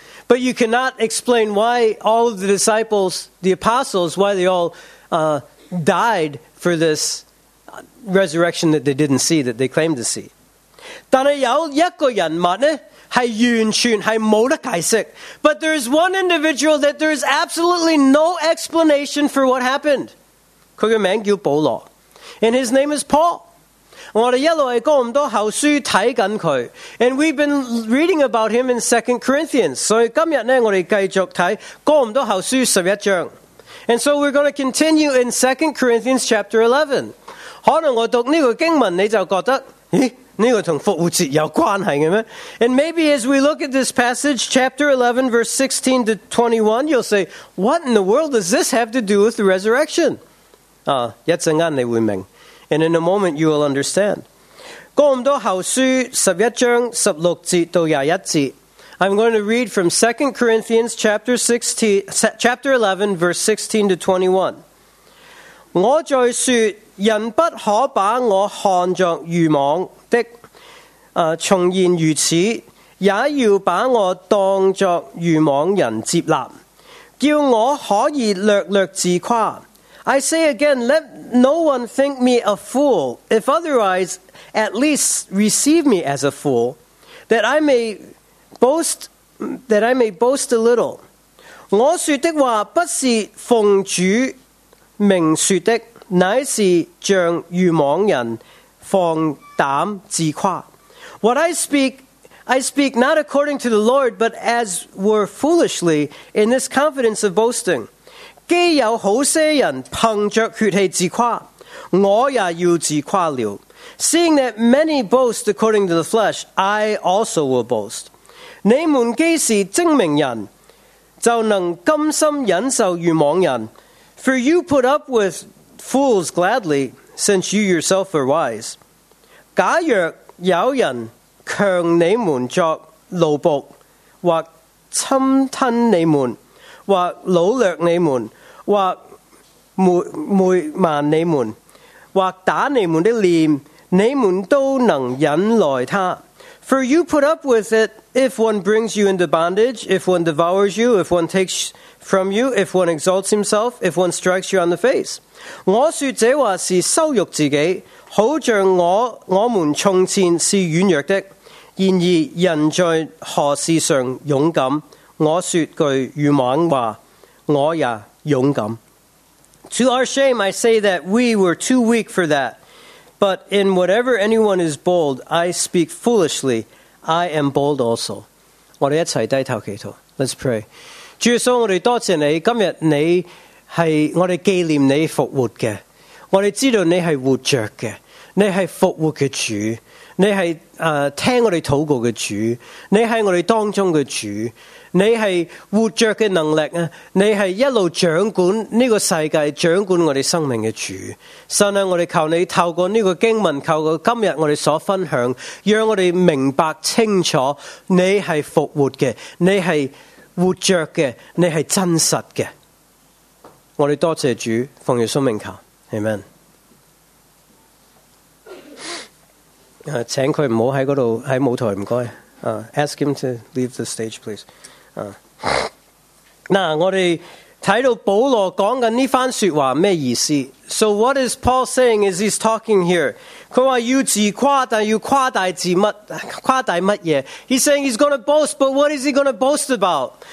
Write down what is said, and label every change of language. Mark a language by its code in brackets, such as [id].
[en] But you cannot explain why all the disciples, the apostles, why they all died for this resurrection that they didn't see, that they claimed to see. [zh] 但系有一个人物呢？是完全是没得解释。 [en] But there is one individual that there is absolutely no explanation for what happened. [zh] 他的名字叫保罗。 [en] And his name is Paul. [zh] 我们一路在哥林多后书看着他。 [en] And we've been reading about him in 2 Corinthians. [zh] 所以今天呢我们继续看哥林多后书11章。 [en] And so we're going to continue in 2 Corinthians chapter 11. [zh] 可能我读这个经文你就觉得咦这个跟复活节有关系的吗？ [en] And maybe as we look at this passage, chapter 11, verse 16 to 21, you'll say, what in the world does this have to do with the resurrection? [zh] 一阵间你会明白。 [en] And in a moment, you will understand. [zh] 哥林多后书11章16节到21节。 [en] I'm going to read from 2 Corinthians chapter, 16, chapter 11, verse 16 to 21. [zh] 我在说人不可把我看作愚妄的，从言如此，也要把我当作愚妄人接纳，叫我可以略略自夸。 [en] I say again, let no one think me a fool, if otherwise, at least receive me as a fool, that I may boast a little. [zh] 我说的话不是奉主名说的，乃是像愚妄人放胆自夸。 [en] What I speak not according to the Lord, but as were foolishly in this confidence of boasting. [zh] 既有好些人凭着血气自夸，我也要自夸了。 [en] Seeing that many boast according to the flesh, I also will boast. [zh] 你们既是精明人，就能甘心忍受愚妄人。 [en] For you put up with fools gladly, since you yourself are wise. [zh] 假若有人强你们作奴仆，或侵吞你们，或掳掠你们，或昧瞒你们，或打你们的脸，你们都能忍耐他。 [en] For you put up with it if one brings you into bondage, if one devours you, if one takes from you, if one exalts himself, if one strikes you on the face. [zh] 我说这话是羞辱自己，好像我们从前是软弱的。然而人在何事上勇敢？我说句愚妄话，我也勇敢。 [en] To our shame, I say that we were too weak for that. But in whatever anyone is bold, I speak foolishly. I am bold also. [zh] 我们一起低头祈祷。 [en] Let's pray. [zh] 主耶稣，我们多谢你，今日你是我们纪念你复活的。我们知道你是活着的。你是复活的主。你是听我们祷告的主。你是我们当中的主。你是活着的能力，你是一路掌管这个世界，掌管我们生命的主。神啊，我们求你透过这个经文，透过今天我们所分享，让我们明白清楚你是复活的，你是活着的，你是真实的。我们多谢主，奉耶稣名求， Amen。请他不要在那里，在舞台，麻烦。 [en] Ask him to leave the stage, please. [zh] 那我们看到保罗讲的这番说话什么意思？ [en] So what is Paul saying as he's talking here? [zh] 他说要自夸，但要夸大自乜，夸大乜嘢？ [en] He's saying he's going to boast, but what is he going to boast about?